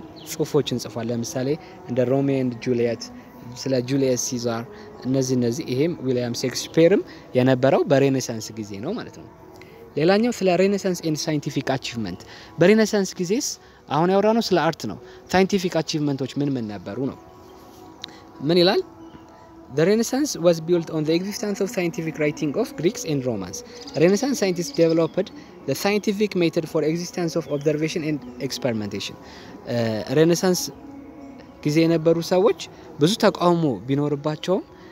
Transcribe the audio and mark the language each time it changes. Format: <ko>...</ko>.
<am>ጽሑፎችን ጽፏል ለምሳሌ እንደ ሮሚዮ ኤንድ ጁሊየት ስለ ጁሊየስ ሲዛር እነዚህ ይሄም ዊሊያም ሼክስፒርም የነበረው በሬነሳንስ ጊዜ ነው ማለት ነው ሌላኛው ስለ ሬነሳንስ ኤንድ ሳይንቲፊክ አቺቭመንት በሬነሳንስ ጊዜስ አሁን ያወራነው ስለ አርት ነው ሳይንቲፊክ አቺቭመንቶች ምን ነበሩ ነው ምን ይላል</am> <en>The Renaissance was built on the existence of scientific writing of Greeks and Romans. Renaissance scientists developed the scientific method for existence of observation and experimentation.</en> <am>Renaissance ጊዜ የነበሩ ሰዎች ብዙ ተቃውሞ ቢኖርባቸውም</am>